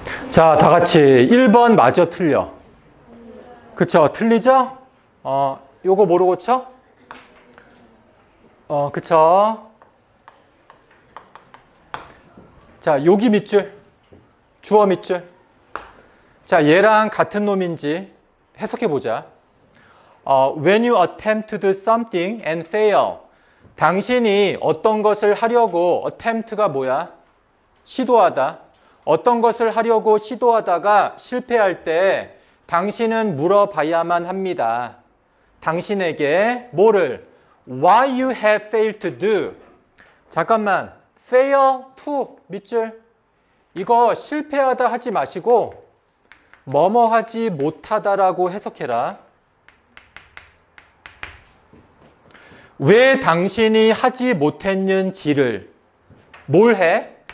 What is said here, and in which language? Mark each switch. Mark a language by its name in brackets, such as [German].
[Korean] 자, 다 같이 1번 맞아 틀려. 그쵸? 틀리죠? 요거 모르고 쳐? 그쵸. 자, 여기 밑줄. 주어 밑줄. 자, 얘랑 같은 놈인지 해석해보자. [English] When you attempt to do something and fail. [Korean] 당신이 어떤 것을 하려고, attempt가 뭐야? 시도하다. 어떤 것을 하려고 시도하다가 실패할 때 당신은 물어봐야만 합니다. 당신에게 뭐를? [English] Why you have failed to do? [Korean] 잠깐만, fail to 밑줄. 이거 실패하다 하지 마시고 뭐뭐 하지 못하다라고 해석해라. 왜 당신이 하지 못했는지를 뭘 해?